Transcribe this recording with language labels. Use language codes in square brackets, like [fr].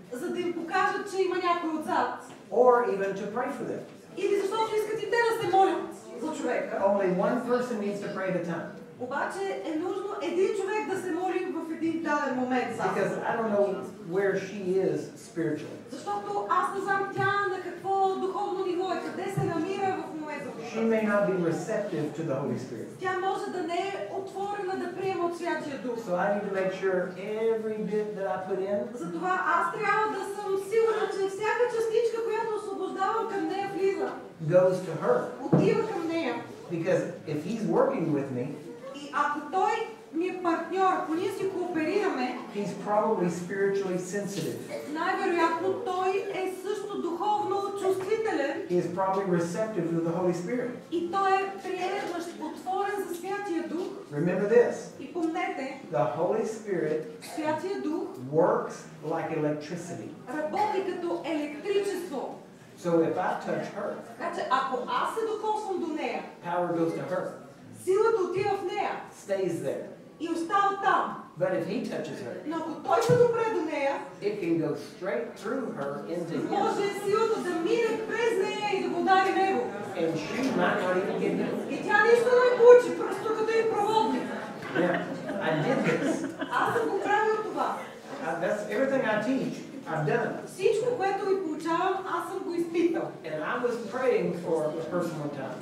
[bg] За да им покажат, че има някой отзад. [en] Or even to pray for them. [bg] Или защото искат и те да се молят за човека. [en] Only one person needs to pray at a time. [bg] Обаче е нужно един човек да се моли в един даден момент. [en] Because I don't know where she is spiritually. [bg] Защото аз не знам тя на какво духовно ниво е, къде се намира в. [en] She may not be receptive to the Holy Spirit. [bg] Тя може да не е отворена да приема от Святия Дух. [en] So I need to make sure every bit that I put in. [bg] Затова аз трябва да съм сигурна, че всяка частичка, която освобождавам към нея, влиза. [en] Goes to her. [bg] Отива към нея. [en] Because if he's working with me. [bg] И ако той ми е партньор, ако ние си кооперираме. [en] He's probably spiritually sensitive. [bg] Най-вероятно той е също духовно чувствителен. [en] He is probably receptive to the Holy Spirit. [bg] И той е приемащ, отворен за Святия Дух. [en] Remember this. [bg] И помнете. [en] The Holy Spirit. [bg] Святия Дух. [en] Works like electricity. [bg] Работи като електричество. [en] So if I touch her. [bg] Значи ако аз се докоснам до нея. [en] Power goes to her. [bg] Силата отива в нея. [en] Stays there. [bg] И остава там. [en] But if he touches her, [bg] но ако той се допре до нея, [en] it can go straight through her into him. [bg] Може силата да мине през нея и да го удари него. [en] And she might not even get there. [bg] И тя нищо не получи, просто като и проводник. [en] Yeah, I did this. [bg] Аз съм го правил това. [en] That's everything I teach. I've done. [bg] Всичко, което ви получавам, аз съм го изпитал. [en] And I was praying for a person one time.